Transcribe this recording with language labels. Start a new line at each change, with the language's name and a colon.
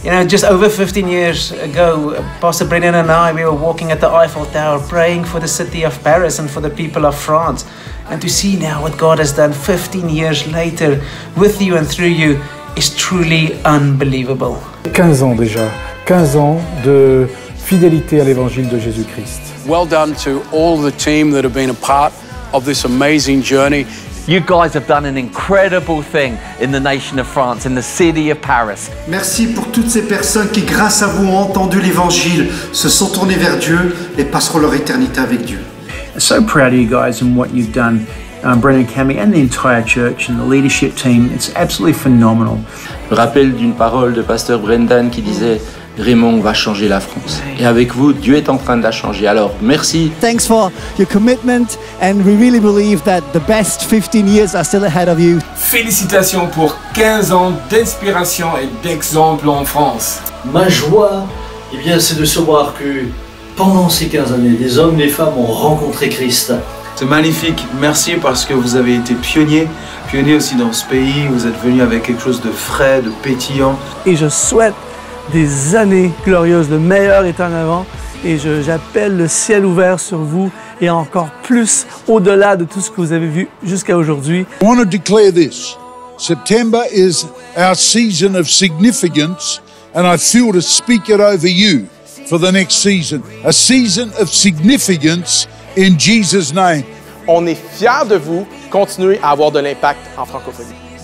English: You know, just over 15 years ago, Pastor Brendan and I, we were walking at the Eiffel Tower, praying for the city of Paris and for the people of France. And to see now what God has done 15 years later with you and through you is truly unbelievable.
French: 15 ans déjà. 15 ans de fidélité à l'évangile de Jésus-Christ.
English: Well done to all the team that have been a part of this amazing journey. You guys have done an incredible thing in the nation of France, in the city of Paris.
French: Merci pour toutes ces personnes qui, grâce à vous, ont entendu l'évangile, se sont tournées vers Dieu et passeront leur éternité avec Dieu.
English: So proud of you guys and what you've done. Brendan Cammy and the entire church and the leadership team, it's absolutely phenomenal.
French: Je rappelle d'une parole de Pasteur Brendan qui disait Raymond va changer la France. Et avec vous, Dieu est en train de la changer. Alors, merci.
English: Thanks for your commitment and we really believe that the best 15 years are still ahead of you.
French: Félicitations pour 15 ans d'inspiration et d'exemple en France. Ma joie, eh bien, c'est de savoir que pendant ces 15 années, les hommes et les femmes ont rencontré Christ. C'est magnifique, merci parce que vous avez été pionniers aussi dans ce pays, vous êtes venus avec quelque chose de frais, de pétillant. Et je souhaite des années glorieuses, le meilleur est en avant, et j'appelle le ciel ouvert sur vous, et encore plus au-delà de tout ce que vous avez vu jusqu'à aujourd'hui.
English: I want to declare this, September is our season of significance, and I feel to speak it over you for the next season. A season of significance. In Jesus' name.
French: On est fiers de vous. Continuez à avoir de l'impact en francophonie.